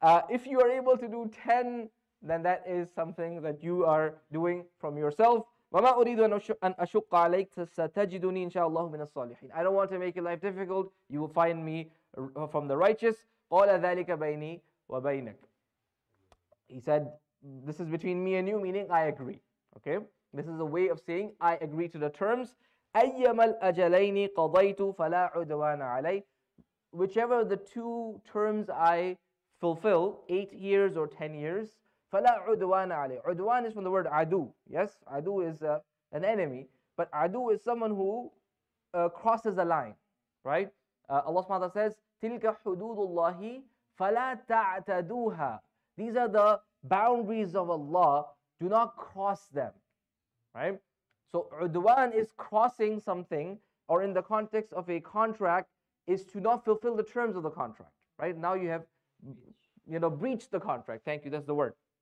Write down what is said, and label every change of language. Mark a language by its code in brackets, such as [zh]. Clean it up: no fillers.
[en] If you are able to do 10, then that is something that you are doing from yourself. [ar] وَمَا أُرِيدُ أَنْ أَشُقَّ عَلَيْكَ سَتَجِدُنِي إِنْ شَاءَ اللَّهُ مِنَ الصَّالِحِينَ. [en] I don't want to make your life difficult. You will find me from the righteous. [ar] قَالَ ذَلِكَ بَيْنِي وَبَيْنَكَ. [en] He said, this is between me and you, meaning I agree. Okay? This is a way of saying I agree to the terms. [ar] أَيَّمَا الْأَجَلَيْنِ قَضَيْتُ فَلَا عُدْوَانَ عَلَيْهِ. [en] Whichever the two terms I fulfill, 8 years or 10 years, [ar] فَلَا عُدْوَانَ عَلَيْهِ. [en] عُدْوَان is from the word عَدُو. Yes, عَدُو is an enemy. But عَدُو is someone who crosses a line. Right? Allah SWT says, [ar] تِلْكَ حُدُودُ اللَّهِ فَلَا تَعْتَدُوهَا. [en] These are the boundaries of Allah. Do not cross them. Right? So عُدْوَان is crossing something, or in the context of a contract, is to not fulfill the terms of the contract, right? Now you have, you know, breached the contract. Thank you, that's the word.